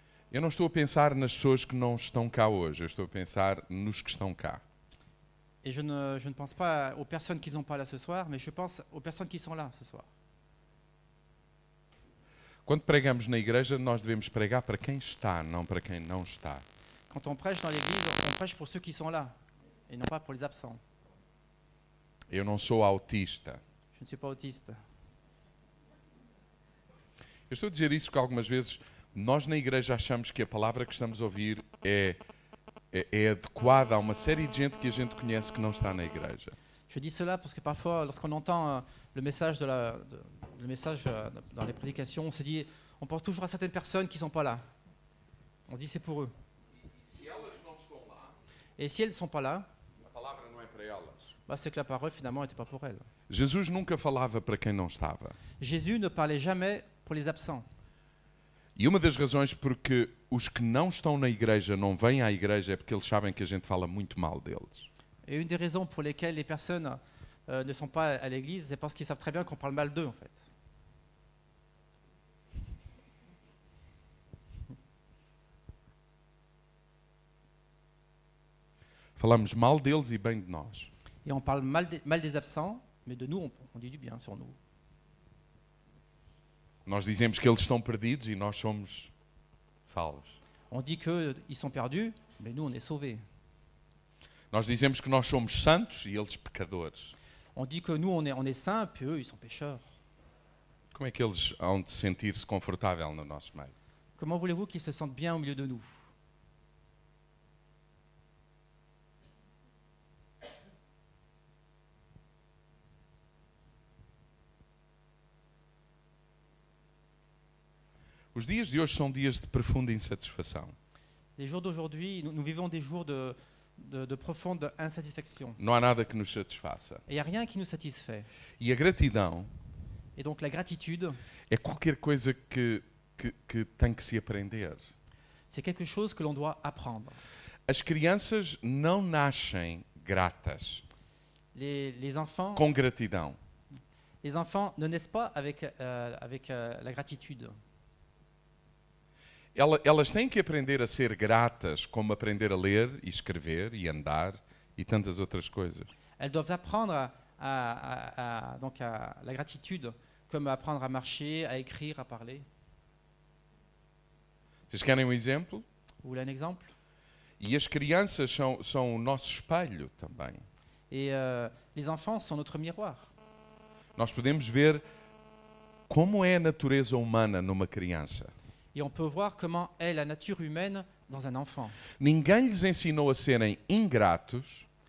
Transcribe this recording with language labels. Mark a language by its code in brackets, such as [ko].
[pt] Eu não estou a pensar nas pessoas que não estão cá hoje, eu estou a pensar nos que estão cá. [fr] Et je ne pense pas aux personnes qui sont pas là ce soir, mais je pense aux personnes qui sont là ce soir. [pt] Quand prégamos na igreja, nós devemos pregar para quem está, não para quem não está. [fr] Quand on prêche dans l'église, on prêche pour ceux qui sont là et non pas pour les absents. [pt] Eu não sou autista. [fr] Je ne suis pas autiste. [pt] Eu estou a dizer isso porque algumas vezes nós na igreja achamos que a palavra que estamos a ouvir é adequada a uma série de gente que a gente conhece que não está na igreja. [fr] Je dis cela parce que parfois lorsqu'on entend le message le message dans les prédications, on pense toujours à certaines personnes qui sont pas là. On dit c'est pour eux. Et si elles ne sont pas là, [pt] la palavra não é para elas. [fr] C'est que la parole finalement n'était pas pour elles. [pt] Jesus nunca falava para quem não estava. [fr] Jésus ne parlait jamais pour les absents. [pt] E uma das razões porque os que não estão na igreja não vêm à igreja é porque eles sabem que a gente fala muito mal deles. [fr] Et une des raisons pour lesquelles les personnes ne sont pas à l'église, c'est parce qu'ils savent très bien qu'on parle mal d'eux, en fait. [pt] Falamos mal deles e bem de nós. [fr] Et on parle mal des absents, mais de nous, on dit du bien sur nous. [pt] Nós dizemos que eles estão perdidos e nós somos salvos. [fr] On dit qu'ils sont perdus, mais nous, on est sauvés. [pt] Nós dizemos que nós somos santos e eles pecadores. [fr] On dit que nous, on est saints, puis eux, ils sont pécheurs. [pt] Como é que eles hão de sentir-se confortável no nosso meio? [fr] Comment voulez-vous qu'ils se sentent bien au milieu de nous? [pt] Os dias de hoje são dias de profunda insatisfação. [fr] Les jours d'aujourd'hui, nous vivons des jours de profonde insatisfaction. [pt] Não há nada que nos satisfaça. [fr] Et il y a rien qui nous satisfait. [pt] E a gratidão. [fr] Et donc la gratitude. [pt] É qualquer coisa que que tem que se aprender. [fr] C'est quelque chose que l'on doit apprendre. [pt] As crianças não nascem gratas. [fr] Les enfants [pt] com gratidão. [fr] Les enfants ne naissent pas avec avec la gratitude. [pt] Elas têm que aprender a ser gratas, como aprender a ler e escrever e andar e tantas outras coisas. [fr] Elles doivent apprendre à la gratitude, comme apprendre à marcher, à écrire, à parler. [pt] Vocês querem um exemplo? [fr] Vous voulez un exemple? [pt] E as crianças são o nosso espelho também. [fr] Et les enfants sont notre miroir. [pt] Nós podemos ver como é a natureza humana numa criança. [fr] Et on peut voir comment est la nature humaine dans un enfant. [pt] Ninguém lhes ensinou a serem ingratos.